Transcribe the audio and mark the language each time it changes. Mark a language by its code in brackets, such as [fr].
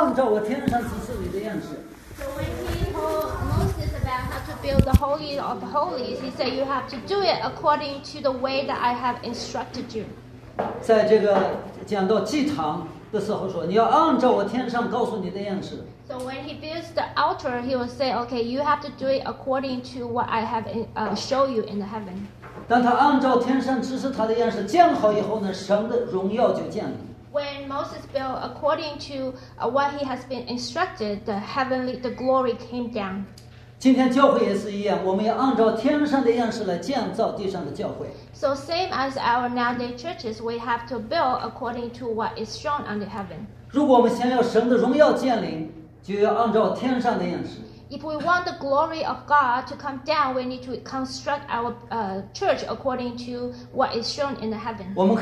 [zh] 他就说你要按照我天上启示你的样式。 [en] So when he told Moses about how to build the Holy of Holies, he said you have to do it according to the way that I have instructed you. [zh] 在这个讲到祭堂的时候说, 你要按照我天上告诉你的样式。 [en] So when he builds the altar, he will say, okay, you have to do it according to what I have show you in the heaven. [zh] 当他按照天上指示他的样式建好以后呢，神的荣耀就建立。 [en] When Moses built according to what he has been instructed, the heavenly, the glory came down. [zh] 今天教会也是一样，我们要按照天上的样式来建造地上的教会。 [en] So same as our nowadays churches, we have to build according to what is shown on the heaven. [zh] 如果我们想要神的荣耀降临，就要按照天上的样式。 [en] If we want the glory of God to come down, we need to construct our church according to what is shown in the heaven.